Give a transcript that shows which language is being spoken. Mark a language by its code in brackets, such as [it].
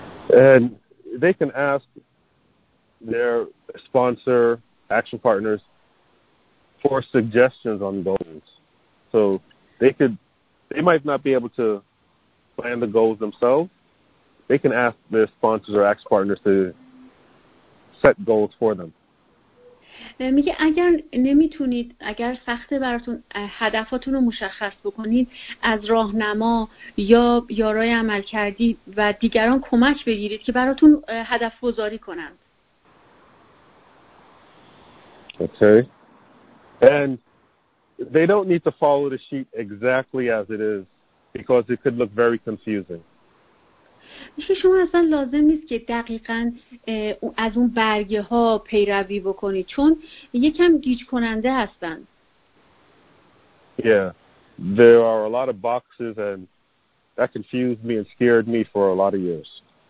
[en] And they can ask their sponsor, action partners, for suggestions on goals. So they might not be able to plan the goals themselves. They can ask their sponsors or action partners to set goals for them. [fa] میگه اگر نمیتونید، اگر سخته براتون هدفاتون رو مشخص بکنید، از راهنما یا یارای عمل کردی و دیگران کمک بگیرید که براتون هدف گذاری کنند. [en] Okay. And they don't need to follow the sheet exactly as it is because it could look very confusing. [fa] میشه شما اصلا لازم نیست که دقیقا از اون برگه ها پیروی بکنید چون یکم گیج کننده هستن. [en] Yeah, there are a lot of boxes and that confused me and scared me for a lot of years.